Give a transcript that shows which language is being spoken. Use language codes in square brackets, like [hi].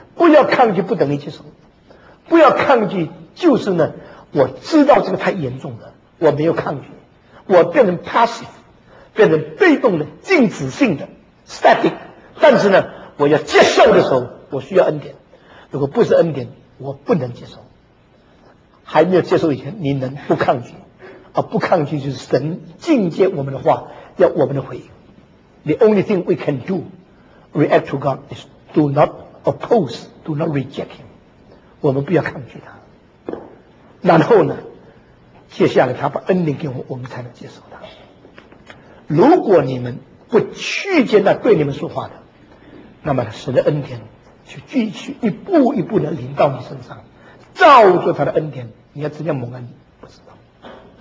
[zh] 不要抗拒不等于接受，不要抗拒就是呢，我知道这个太严重了，我没有抗拒，我变成 passive， 变成被动的静止性的 static。 但是呢，我要接受的时候，我需要恩典。如果不是恩典，我不能接受。还没有接受以前，你能不抗拒？而不抗拒就是神境界我们的话，要我们的回应。 [en] The only thing we can do, react to God, is do not oppose, do not reject Him. [zh] 我们不要抗拒他。然后呢，接下来他把恩典给我们，我们才能接受他。如果你们不去接那对你们说话的，那么神的恩典就继续一步一步的临到你身上，照着他的恩典，你要怎样蒙恩？不知道。